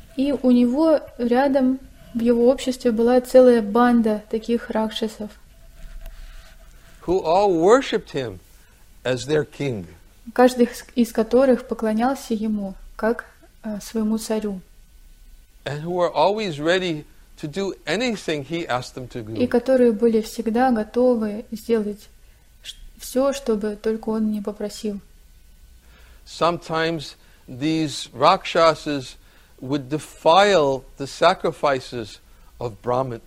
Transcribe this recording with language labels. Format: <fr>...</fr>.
<ru>И у него рядом в его обществе была целая банда таких ракшасов,</ru> <en>who all worshipped him as their king.</en> <ru>Каждый из которых поклонялся ему как своему царю.</ru> <en>And who were always ready to do anything he asked them to do.</en> <ru>И которые были всегда готовы сделать все, чтобы только он не попросил.</ru> <en>Sometimes these rakshasas would defile the sacrifices of Brahman.</en>